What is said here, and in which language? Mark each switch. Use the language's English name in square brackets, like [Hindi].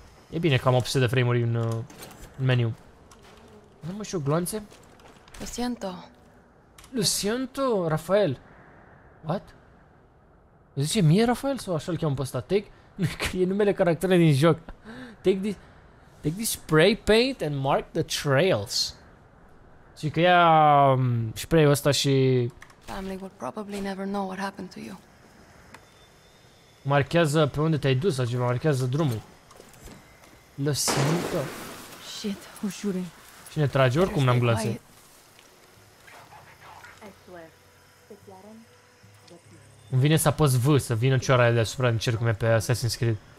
[Romanian] E bine că am 800 de frame-uri în meniu. Nu mai știu, gloanțe? [Spanish] Lo siento. Lo siento, Rafael. [English] What? [Romanian] Zice mie Rafael sau așa-l cheamă pe ăsta? [English] Take, [Romanian] că e numele caracterului din joc. [English] Take this spray paint and mark the trails. [Romanian] Și că ia spray-ul ăsta și... [English] Family will probably never know what happened to you. [Romanian] Marchează pe unde te-ai dus sau ceva, marchează drumul. [Spanish] Lo siento. [English] Shit, who's shooting? [Romanian] Și ne trage oricum, n-am glase. Îmi vine să apăs V, să vină cioara aia deasupra din cer cum e pe Assassin's Creed.